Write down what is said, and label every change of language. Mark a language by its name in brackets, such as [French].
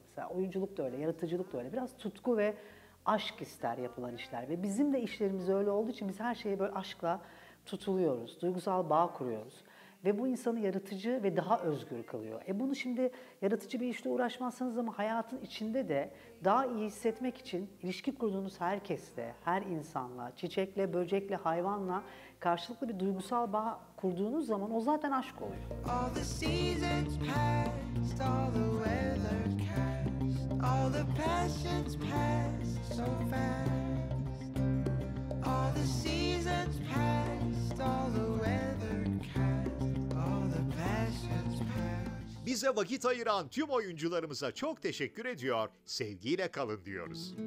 [Turkish] Mesela oyunculuk da öyle, yaratıcılık da öyle. Biraz tutku ve aşk ister yapılan işler ve bizim de işlerimiz öyle olduğu için biz her şeye böyle aşkla tutuluyoruz, duygusal bağ kuruyoruz ve bu insanı yaratıcı ve daha özgür kılıyor. Bunu şimdi yaratıcı bir işle uğraşmazsanız ama hayatın içinde de daha iyi hissetmek için ilişki kurduğunuz herkesle, her insanla, çiçekle, böcekle, hayvanla karşılıklı bir duygusal bağ kurduğunuz zaman o zaten aşk oluyor. [English] All the seasons past, all the weather cast, all the passions past. So fast, all the seasons passed, all the weather cast, all the passions passed. [Turkish] Bize vakit ayıran tüm oyuncularımıza çok teşekkür ediyor, sevgiyle kalın diyoruz.